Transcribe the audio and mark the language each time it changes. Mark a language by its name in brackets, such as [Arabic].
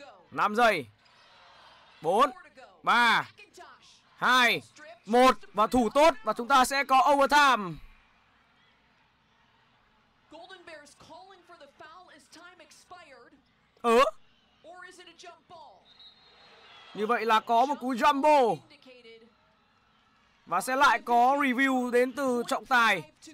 [Vietnamese] 5 giây. 4, 3, 2, 1 và thủ tốt và chúng ta sẽ có overtime. [English] Golden Bears calling for the foul as time expired. Or is it a jump ball? [Vietnamese] Như vậy là có một cú jump ball. Và sẽ lại có review đến từ trọng tài.